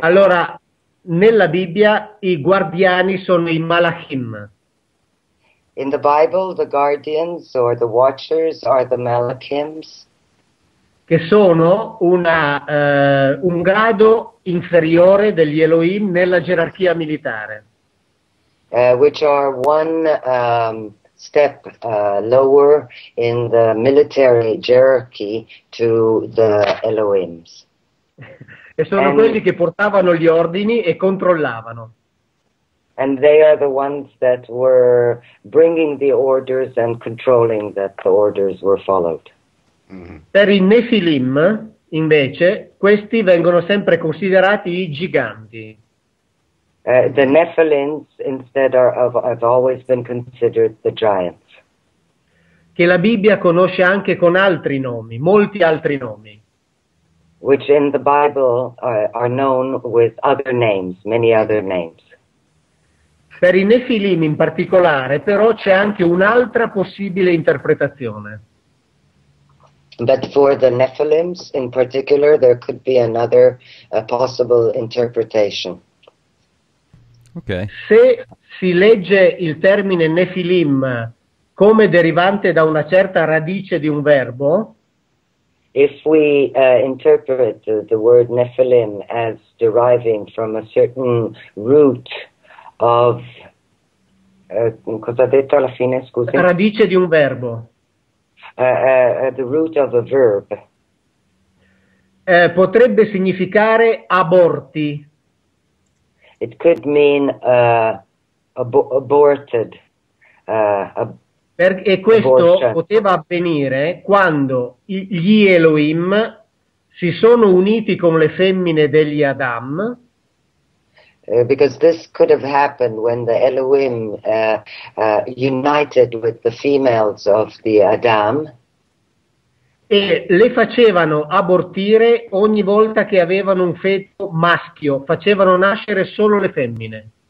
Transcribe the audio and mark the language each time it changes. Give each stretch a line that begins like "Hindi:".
Italian: Allora, nella Bibbia i guardiani sono i Malachim.
English: In the Bible, the guardians or the Watchers are the Malachims.
Italian: Che sono un grado inferiore degli Elohim nella gerarchia militare.
English: Which are one step lower in the military hierarchy to the Elohims.
Italian: E sono quelli che portavano gli ordini e controllavano.
English: And they are the ones that were bringing the orders and controlling that the orders were followed.
Italian: Per i Nephilim, invece, questi vengono sempre considerati i giganti.
English: The Nephilims instead of have always been considered the giants.
Italian: Che la Bibbia conosce anche con altri nomi, molti altri nomi.
English: Which in the Bible are known with other names, many other names.
Italian: Per i Nefilim in particolare, però, c'è anche un'altra possibile interpretazione.
English: But for the Nephilims in particular, there could be another possible interpretation. Okay.
Italian: Se si legge il termine Nefilim come derivante da una certa radice di un verbo,
English: if we interpret the word Nephilim as deriving from a certain root of
Italian: cosa detto alla fine, scusi? Radice di un verbo.
English: The root of a verb.
Italian: Potrebbe significare aborti.
English: It could mean aborted.
Italian: E questo poteva avvenire quando gli Elohim si sono uniti con le femmine degli Adam.
English: Because this could have happened when the Elohim united with the females of the Adam.
Italian: E le facevano abortire ogni volta che avevano un feto maschio, facevano nascere solo le femmine.